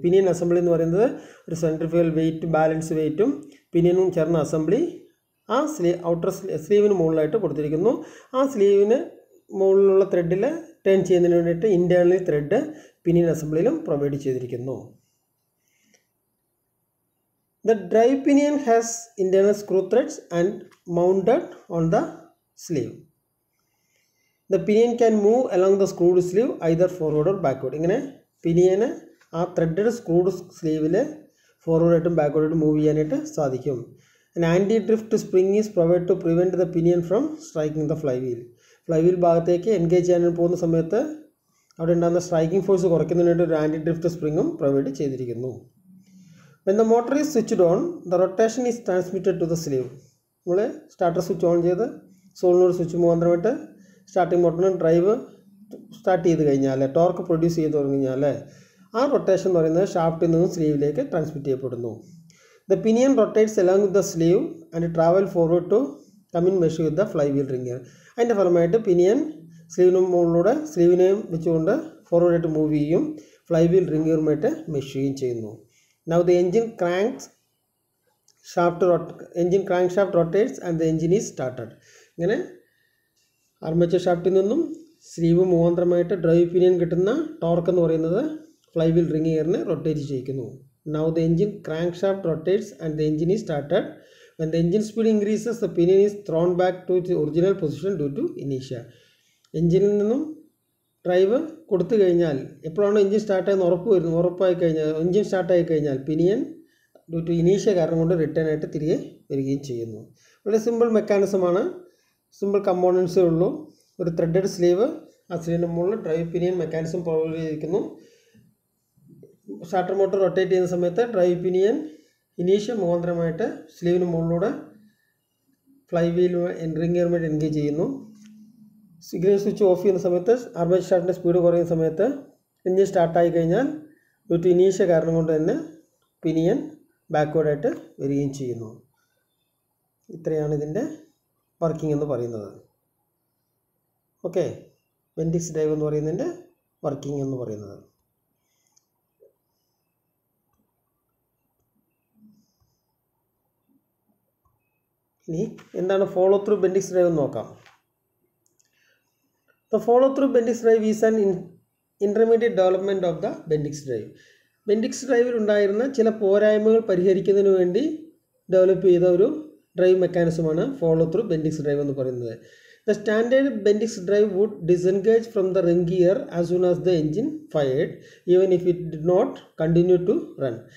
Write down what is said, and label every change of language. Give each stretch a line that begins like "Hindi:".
Malayalam: Pinion assembly എന്ന് പറയുന്നത് ഒരു സെൻട്രിഫ്യൂൽ വെയിറ്റ് ബാലൻസ് വെയിറ്റും പിനിയനും ചേർന്ന അസംബ്ലി ആ സ്ലീവ് ഔട്ടർ സ്ലീവിന് മുകളിലായിട്ട് കൊടുത്തിരിക്കുന്നു. ആ സ്ലീവിന് മുകളിലുള്ള ത്രെഡിൽ ടേൺ ചെയ്യുന്നതിന് വേണ്ടിയിട്ട് ഇൻറ്റേർണൽ ത്രെഡ് പിനിയൻ അസംബ്ലിയിലും പ്രൊവൈഡ് ചെയ്തിരിക്കുന്നു.
English: The drive pinion has internal screw threads and mounted on the sleeve. The pinion can move along the screwed sleeve either forward or backward.
Malayalam: ഇങ്ങനെ പിനിയന് ആ threaded screwed സ്ലീവിൽ forward ആയിട്ടും backward ആയിട്ടും move ചെയ്യാനായിട്ട് സാധിക്കും.
English: An anti-drift spring is provided to prevent the pinion from striking the flywheel.
Malayalam: Flywheel ഭാഗത്തേക്ക് engage ചെയ്യാൻ പോകുന്ന സമയത്ത് അവിടെ ഉണ്ടാകുന്ന സ്ട്രൈക്കിംഗ് ഫോഴ്സ് കുറയ്ക്കുന്നതിനായിട്ട് ഒരു ആൻറ്റി ഡ്രിഫ്റ്റ് സ്പ്രിങ്ങും പ്രൊവൈഡ് ചെയ്തിരിക്കുന്നു.
English: When the motor is switched on, the rotation is transmitted to the sleeve.
Malayalam: നമ്മൾ starter switch on ചെയ്ത് സോളിനോട് സ്വിച്ച് മുഖാന്തരമായിട്ട് സ്റ്റാർട്ടിംഗ് മോട്ടറിന് ഡ്രൈവ് സ്റ്റാർട്ട് ചെയ്ത് കഴിഞ്ഞാൽ ടോർക്ക് പ്രൊഡ്യൂസ് ചെയ്ത് തുടങ്ങിയാൽ ആ റൊട്ടേഷൻ എന്ന് പറയുന്നത് ഷാഫ്റ്റിൽ നിന്നും സ്ലീവിലേക്ക് ട്രാൻസ്മിറ്റ് ചെയ്യപ്പെടുന്നു.
English: The pinion rotates along with the sleeve and travel forward to come in measure with the flywheel ringer.
Malayalam: അതിൻ്റെ ഫലമായിട്ട് പിനിയൻ സ്ലീവിനും മുകളിലൂടെ സ്ലീവിനെയും വെച്ചുകൊണ്ട് ഫോർവേഡ് ആയിട്ട് മൂവ് ചെയ്യും, ഫ്ലൈ വീൽ റിംഗറുമായിട്ട് മെഷ് ചെയ്യുകയും ചെയ്യുന്നു.
English: Now the engine cranks shaft engine crankshaft rotates and the engine is started.
Malayalam: ഇങ്ങനെ armature ഷാഫ്റ്റിൽ നിന്നും സ്ലീവ് മുഖാന്തരമായിട്ട് ഡ്രൈവ് പിനിയൻ കിട്ടുന്ന ടോർക്ക് എന്ന് പറയുന്നത് fly wheel ring ഗിയറിനെ rotate ചെയ്യിക്കുന്നു.
English: Now the engine crankshaft rotates and the engine is started. When the engine speed increases, the pinion is thrown back to its original position due to inertia.
Malayalam: എഞ്ചിനിൽ നിന്നും drive കൊടുത്തു കഴിഞ്ഞാൽ എപ്പോഴാണോ engine സ്റ്റാർട്ടായെന്ന് ഉറപ്പ് വരുന്നത്, ഉറപ്പായി കഴിഞ്ഞാൽ engine സ്റ്റാർട്ടായി കഴിഞ്ഞാൽ പിനിയൻ ഡ്യൂ ടു ഇനീഷ്യ കാരണം കൊണ്ട് റിട്ടേൺ ആയിട്ട് തിരികെ വരികയും ചെയ്യുന്നു. വളരെ സിമ്പിൾ മെക്കാനിസമാണ്, സിമ്പിൾ കമ്പോണൻസേ ഉള്ളൂ. ഒരു ത്രെഡഡ് സ്ലീവ്, ആ സ്ലീവിൻ്റെ മുകളിൽ ഡ്രൈവ് പിനിയൻ മെക്കാനിസം പ്രൊവൈഡ് ചെയ്തിരിക്കുന്നു. സ്റ്റാർട്ടർ മോട്ടർ റൊട്ടേറ്റ് ചെയ്യുന്ന സമയത്ത് ഡ്രൈവ് പിനിയൻ ഇനീഷ്യ മുഖാന്തരമായിട്ട് സ്ലീവിന് മുകളിലൂടെ ഫ്ലൈ വീൽ എൻട്രിങ് ഗിയറുമായിട്ട് എൻഗേജ് ചെയ്യുന്നു. സിഗ്നൽ സ്വിച്ച് ഓഫ് ചെയ്യുന്ന സമയത്ത് ആർമേച്ചർ സ്റ്റാർട്ടിൻ്റെ സ്പീഡ് കുറയുന്ന സമയത്ത് എഞ്ചിൻ സ്റ്റാർട്ടായി കഴിഞ്ഞാൽ ഒരു ഇനീഷ്യ കാരണം കൊണ്ട് തന്നെ പിനിയൻ ബാക്ക്വേഡായിട്ട് വരികയും ചെയ്യുന്നു. ഇത്രയാണ് ഇതിൻ്റെ വർക്കിംഗ് എന്ന് പറയുന്നത്. ഓക്കെ, ബെൻഡിക്സ് ഡ്രൈവ് എന്ന് പറയുന്നതിൻ്റെ വർക്കിംഗ് എന്ന് പറയുന്നത്. ഇനി എന്താണ് ഫോളോ ത്രൂ ബെൻഡിക്സ് ഡ്രൈവ് നോക്കാം.
English: The follow-through Bendix drive is an intermediate development of the Bendix drive.
Malayalam: Bendix drive ഉണ്ടായിരുന്ന ചില പോരായ്മകൾ പരിഹരിക്കുന്നതിന് വേണ്ടി ഡെവലപ്പ് ചെയ്ത ഒരു drive മെക്കാനിസമാണ് follow through Bendix drive എന്ന് പറയുന്നത്.
English: The standard Bendix drive would disengage from the ring gear as soon as the engine fired even if it did not continue to run.